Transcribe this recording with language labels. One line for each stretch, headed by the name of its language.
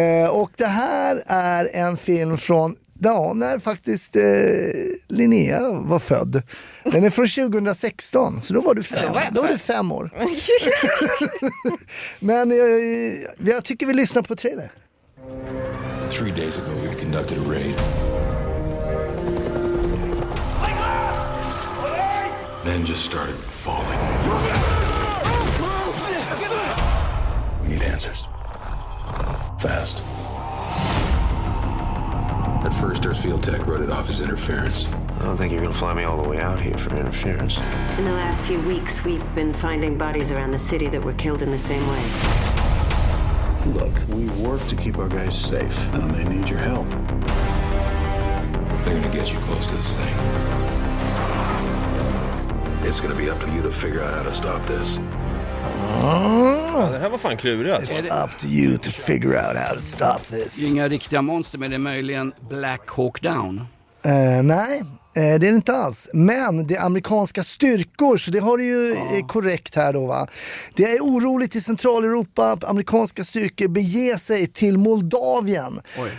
Swedish: Och det här är en film från när faktiskt Linnea var född. Den är från 2016, så då var du fem. Då var du fem år. Men jag tycker vi lyssnar på trailer.
English: 3 days ago we conducted a raid. Men just started falling. We need answers. Fast. At first, Earth Field Tech wrote it off as interference. I don't think you're gonna fly me all the way out here for interference. In the last few weeks, we've been finding bodies around the city that were killed in the same way. Look, we work to keep our guys safe, and they need your help. They're gonna get you close to this thing. It's gonna be up to you to figure out how to stop this.
Swedish: Det här var fan klurigt alltså.
English: It's up to you to figure out how to stop this.
Swedish: Det är inga riktiga monster, men det är möjligen Black Hawk Down. Det är det inte alls. Men det är amerikanska styrkor, så det har du ju korrekt här då, va. Det är oroligt i Centraleuropa. Amerikanska styrkor beger sig till Moldavien. Oj.